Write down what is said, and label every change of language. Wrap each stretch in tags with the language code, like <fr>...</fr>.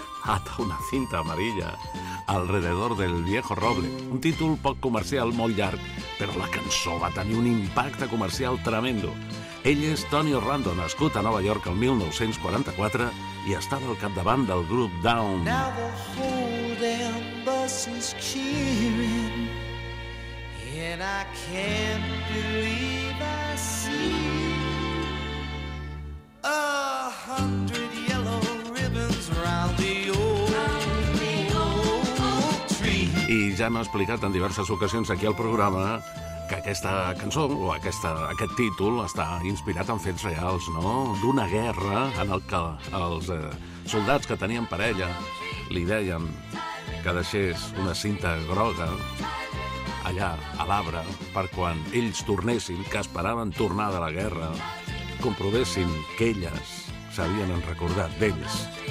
<es>ata una cinta amarilla alrededor del viejo roble.</es> <ca>Un títol poc comercial, molt llarg, però la cançó va tenir un impacte comercial tremendo. Ell és Tony Orlando, nascut a Nova York el 1944 i estava al capdavant del grup Down.</ca> <en>Now the whole damn bus is cheering and I can't believe I see 100 yellow ribbons round the old tree.</en> <ca>I ja m'ha explicat en diverses ocasions aquí al programa que aquesta cançó, o aquest títol, està inspirat en fets reals, no? D'una guerra en el que els soldats que tenien parella li deien que deixés una cinta groga allà, a l'arbre, per quan ells tornessin, que esperaven tornar de la guerra, comprovessin que elles s'havien recordat d'ells.</ca>